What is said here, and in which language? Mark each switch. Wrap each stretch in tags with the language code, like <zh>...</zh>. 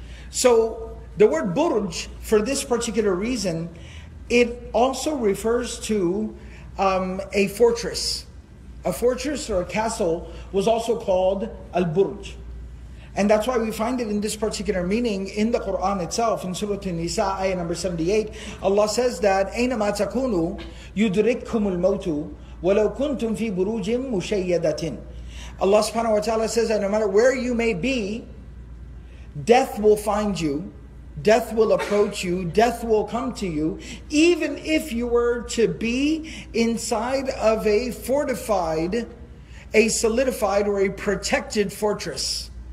<en>So the word burj, for this particular reason, it also refers to a fortress. A fortress or a castle was also called al-burj. And that's why we find it in this particular meaning in the Quran itself, in Surah An-Nisa, ayah number 78. Allah says that</en> <ar>أَيْنَمَا تَكُونُوا يُدْرِكْكُمُ الْمَوْتُ وَلَوْ كُنْتُمْ فِي بُرُوجٍ مُشَيَّدَةٍ.</ar> <en>Allah subhanahu wa ta'ala says that no matter where you may be, death will find you, death will approach you, death will come to you, even if you were to be inside of a fortified, a solidified, or a protected fortress.</en>